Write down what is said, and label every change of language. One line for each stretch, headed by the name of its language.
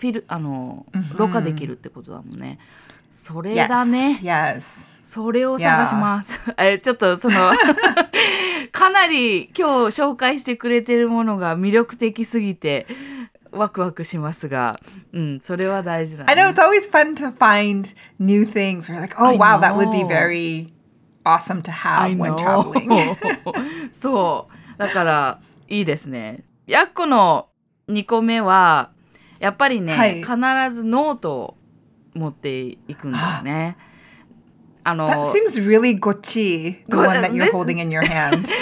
Japanese: ろ過できるってことだもんね。それだね。
English: Yes. Yes.
Japanese: それを探します。Yeah. ちょっとその、かなり今日紹介してくれてるものが魅力的すぎて、ワクワクしますが、それは大事だね。
English: I know, it's always fun to find new things. We're like, oh, wow, that would be very awesome to have when traveling.
Japanese: そう。だから、いいですね。ヤッコの2個目は、やっぱりね、はい、必ずノートを持っていくんだよね。
English: That seems really gochi, the one that you're holding in your hand.